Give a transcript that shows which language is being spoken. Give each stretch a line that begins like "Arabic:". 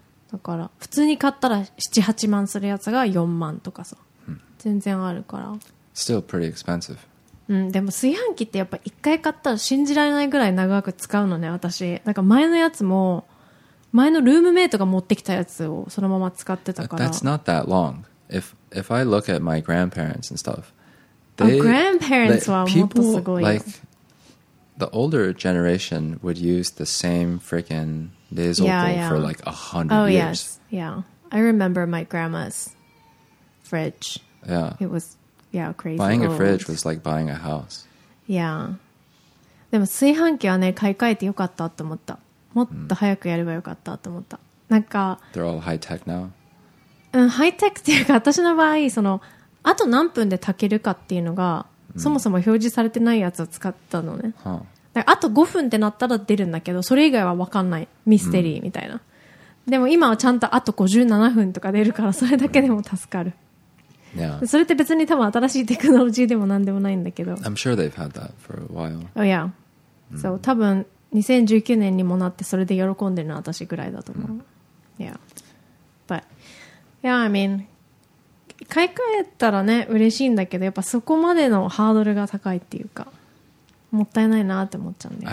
Japanese: だから普通に買ったら 7,8 万するやつが4万とかさ、うん、全然あるから
English: Still pretty expensive、
Japanese: うん、でも炊飯器ってやっぱ1回買ったら信じられないぐらい長く使うのね私。だから前のやつも前のルームメイトが持ってきたやつをそのまま使ってたから
English: That's not that long If I look at my grandparents and stuff, they, grandparents like, people, like, the older generation would use the same freaking diesel for like 100 years. Oh, yes. Yeah. I remember my grandma's fridge. Yeah. It was, yeah, crazy. Buying a fridge was like buying a house. Yeah.
Japanese: でも炊飯器はね、買い替えてよかったと思った。もっと早くやればよかったと思った。なんか、
English: They're all high tech now.
Japanese: うん、ハイテクっていうか私の場合そのあと何分で炊けるかっていうのが、うん、そもそも表示されてないやつを使ったのね、はあ、だからあと5分ってなったら出るんだけどそれ以外は分かんないミステリーみたいな、うん、でも今はちゃんとあと57分とか出るからそれだけでも助かる、
English: yeah.
Japanese: それって別に多分新しいテクノロジーでも何でもないんだけど
English: I'm sure they've had that for a while Oh yeah、
Japanese: うん、そう多分2019年にもなってそれで喜んでるのは私ぐらいだと思う、うん、
English: Yeah ButYeah, I mean,
Japanese: 買い替えたらね嬉しいんだけどやっぱそこまでのハードルが高いっていうかもったいないなって思っちゃうんだよ